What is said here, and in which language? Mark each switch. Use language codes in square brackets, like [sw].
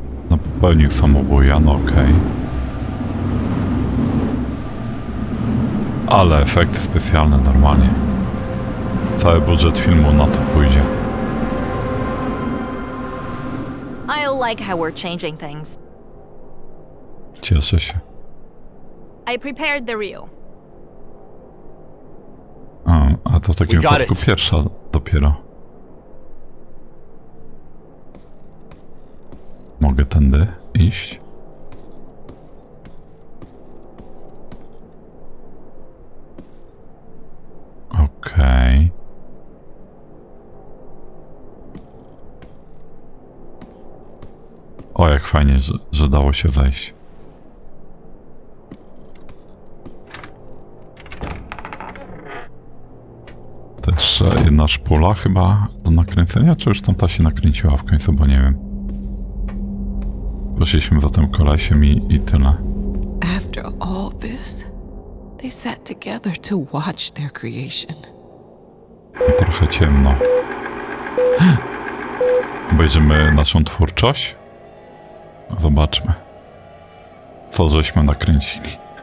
[pl] No popełnił samobójstwo, no okej. Ale efekty specjalne normalnie. Cały budżet filmu na to pójdzie. [en] I like how we're changing things. [pl] Cieszę się. [en] I prepared the reel. [pl] A to w takim wypadku pierwsza dopiero. Mogę tędy iść? Okej. O, jak fajnie, że dało się zejść. Jeszcze jedna szpula chyba do nakręcenia, czy już tamta się nakręciła w końcu, bo nie wiem. Poszliśmy za tym kolesiem i tyle. [en] After all this, they sat together to watch their creation. [pl] Trochę ciemno. Obejrzymy naszą twórczość? Zobaczmy. Co żeśmy nakręcili.